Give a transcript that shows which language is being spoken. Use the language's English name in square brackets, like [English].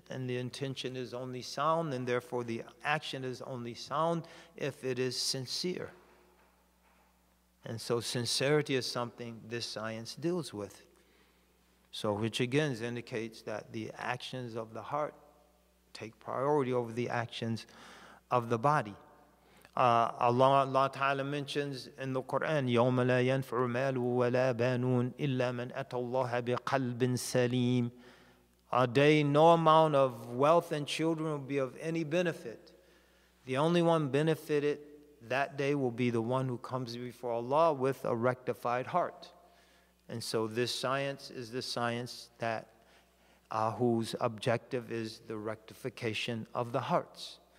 [English] And the intention is only sound, and therefore the action is only sound if it is sincere. And so sincerity is something this science deals with. So which again indicates that the actions of the heart take priority over the actions of the body. Allah Ta'ala mentions in the Quran, [Arabic] يَوْمَ لَا يَنْفَعُ مَالُ وَلَا بَانُونَ إِلَّا مَنْ أَتَى اللَّهَ بِقَلْبٍ سَلِيمٍ. [English] A day no amount of wealth and children will be of any benefit. The only one benefited that day will be the one who comes before Allah with a rectified heart. And so this science is the science that whose objective is the rectification of the hearts.